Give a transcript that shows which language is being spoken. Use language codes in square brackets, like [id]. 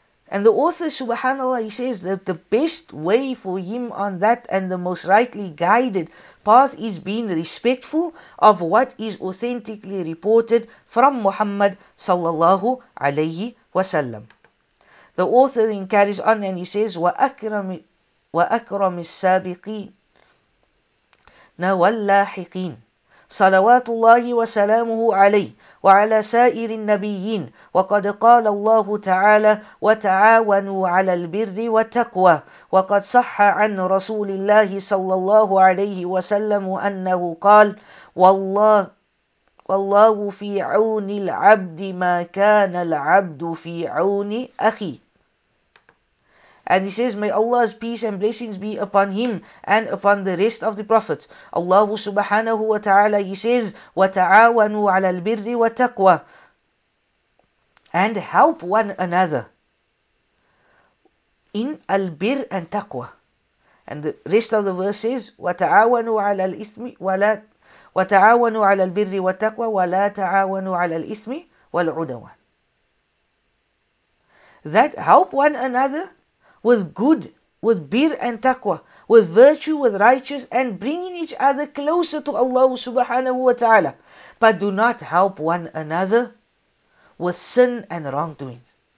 [en] And the author, subhanAllah, he says that the best way for him on that and the most rightly guided path is being respectful of what is authentically reported from Muhammad sallallahu alayhi wasallam. The author then carries on and he says, [ar] وَأَكْرَمِ السَّابِقِينَ وَاللَّاحِقِينَ صلوات الله وسلامه عليه وعلى سائر النبيين وقد قال الله تعالى وتعاونوا على البر والتقوى وقد صح عن رسول الله صلى الله عليه وسلم أنه قال والله في عون العبد ما كان العبد في عون أخي. [en] And he says, may Allah's peace and blessings be upon him and upon the rest of the prophets. Allah subhanahu wa ta'ala, he says, [ar] وَتَعَاوَنُوا عَلَى الْبِرِّ وَتَقْوَى. [en] And help one another in al-bir and taqwa. And the rest of the verse says, [ar] وَتَعَاوَنُوا عَلَى الْإِثْمِ وَتَعَاوَنُوا عَلَى الْبِرِّ وَتَقْوَى وَلَا تَعَاوَنُوا عَلَى الْإِثْمِ وَالْعُدَوَانِ. [en] That help one another with good, with bir and taqwa, with virtue, with righteous, and bringing each other closer to Allah subhanahu wa ta'ala. But do not help one another with sin and wrongdoings.